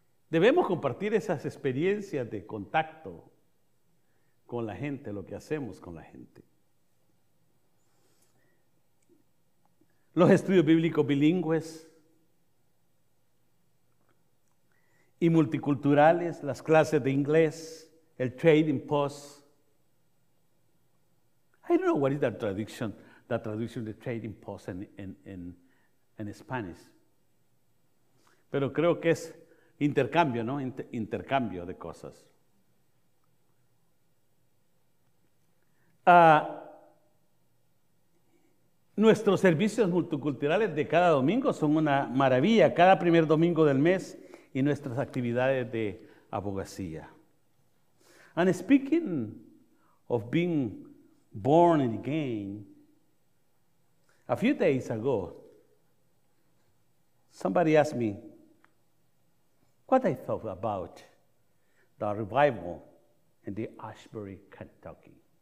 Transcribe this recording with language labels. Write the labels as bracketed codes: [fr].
[es] Debemos compartir esas experiencias de contacto con la gente, lo que hacemos con la gente. Los estudios bíblicos bilingües y multiculturales, las clases de inglés, el trading post. [en] I don't know what is that traduction of the trading post in Spanish. [es] Pero creo que es intercambio, ¿no? Intercambio de cosas. Nuestros servicios multiculturales de cada domingo son una maravilla, cada primer domingo del mes, y nuestras actividades de abogacía. [en] And speaking of being born again, a few days ago, somebody asked me what I thought about the revival in the Ashbury, Kentucky.